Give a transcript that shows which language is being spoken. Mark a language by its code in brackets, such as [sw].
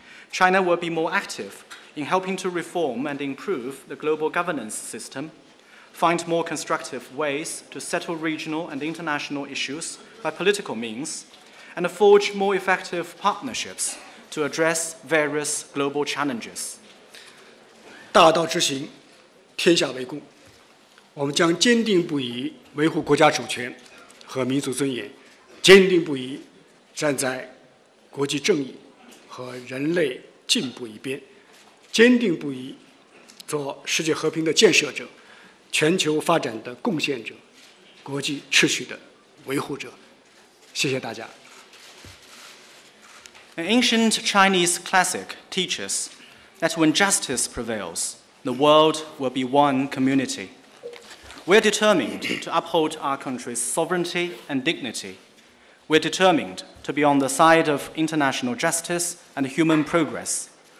[en] China will be more active in helping to reform and improve the global governance system, find more constructive ways to settle regional and international issues by political means, and forge more effective partnerships to address various global challenges. [zh] 大道之行, 天下为公, 我们将坚定不移维护国家主权和民族尊严, 坚定不移, 站在国际正义和人类进步一边, 坚定不移, 做世界和平的建设者, 全球发展的贡献者, 国际秩序的维护者, 谢谢大家。 [en] An ancient Chinese classic teaches that when justice prevails, the world will be one community. We are determined to uphold our country's sovereignty and dignity. We are determined to be on the side of international justice and human progress.